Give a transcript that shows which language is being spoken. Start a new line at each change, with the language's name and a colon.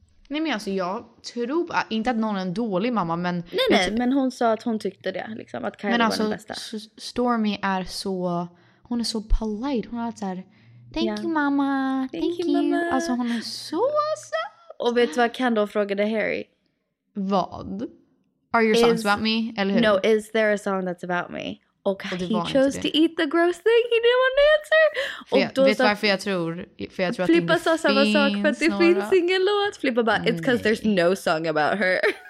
Swedish: Nej, men alltså jag tror inte att någon är en dålig mamma, men men hon sa att hon tyckte det liksom, att Kylie var den bästa. Stormy är så, hon är så polite, hon är så här:
English: Thank you, mama. Thank you, mama.
Swedish: Alltså hon är så söt. Och vet du vad Kendall frågade Harry? Vad?
English: Are your songs about me?
Swedish: Eller hur?
English: No, is there a song that's about me? Och he chose to eat the gross thing. He didn't want to answer.
Swedish: Jag tror att Flippa sa samma sak för att det finns ingen låt.
English: Flippa bara, it's because there's no song about her.